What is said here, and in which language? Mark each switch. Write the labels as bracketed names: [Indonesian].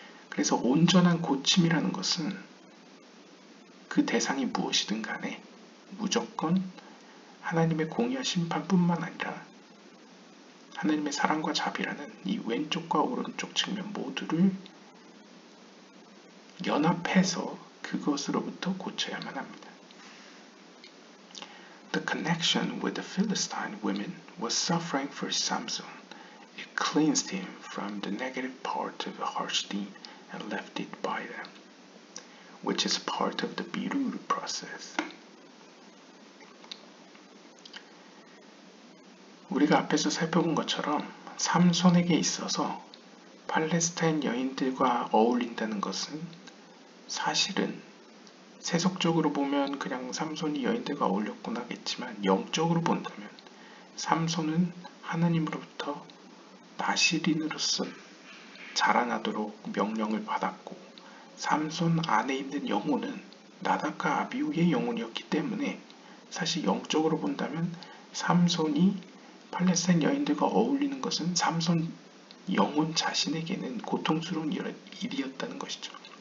[Korean] 그래서 온전한 고침이라는 것은 그 대상이 무엇이든 간에 무조건 하나님의 공의와 심판뿐만 아니라 하나님의 사랑과 자비라는 이 왼쪽과 오른쪽 측면 모두를 연합해서 그것으로부터 고쳐야만 합니다. [English] The connection with the Philistine women was suffering for Samson. It cleansed him from the negative part of the harsh deed and left it by them, which is part of the birur process. [Korean] 우리가 앞에서 살펴본 것처럼 삼손에게 있어서 팔레스타인 여인들과 어울린다는 것은 사실은 세속적으로 보면 그냥 삼손이 여인들과 어울렸구나 하겠지만 영적으로 본다면 삼손은 하나님으로부터 나실인으로서 자라나도록 명령을 받았고 삼손 안에 있는 영혼은 나답과 아비우의 영혼이었기 때문에 사실 영적으로 본다면 삼손이 팔레스타인 여인들과 어울리는 것은 삼손 영혼 자신에게는 고통스러운 일이었다는 것이죠.